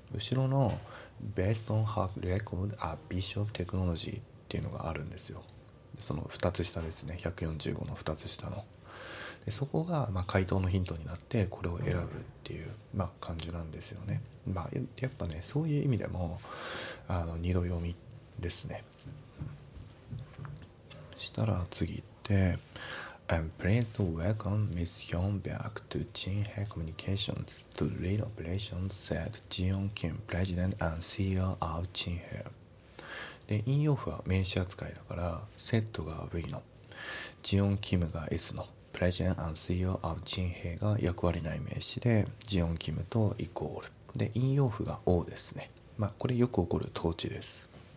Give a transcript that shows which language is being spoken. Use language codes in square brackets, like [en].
[ja] 後ろの [en] Based on her record at Bishop Technology [ja] っていうのがあるんですよ。その2つ下ですね、145の2つ下ので、そこがまあ回答のヒントになってこれを選ぶっていう、まあ、感じなんですよね。まあ、やっぱねそういう意味でも二度読みですね。したら次行って [en] I'm pleased to welcome Ms. Heon back to Jinhae Communications to lead operations, said Jiyoung Kim, President and CEO of Jinhae. [ja] で、インオフは名詞扱いだから、セットが V の、Jiyoung Kim が S の、 [en] President and CEO of Jinhae [ja] が役割ない名詞で、Jiyoung Kim とイコール。で、インオフが O ですね。まあ、これよく起こる統治です。